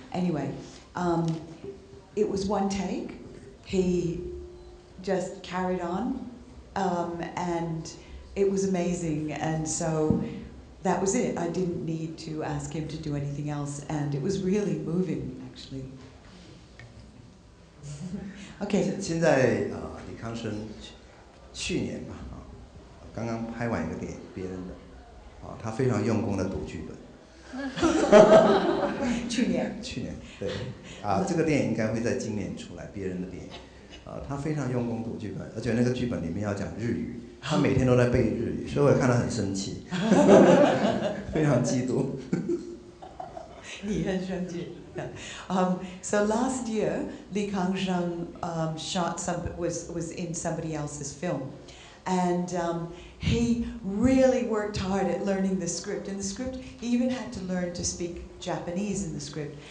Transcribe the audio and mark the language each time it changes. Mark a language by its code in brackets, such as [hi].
[en] Anyway, it was one take. He just carried on, and it was amazing. And so that was it. I didn't need to ask him to do anything else, and it was really moving, actually. Okay. [zh] 现在李康生去年吧，刚刚拍完一个电影，别人的，他非常用功的读剧本。去年对这个电影应该会在今年出来，别人的电影他非常用功读剧本，而且那个剧本里面要讲日语，他每天都在背日语，所以我看得很生气，非常嫉妒。你很生气。 [en] So last year Li Kangsheng was in somebody else's film, and he really worked hard at learning the script. And the script, he even had to learn to speak Japanese in the script.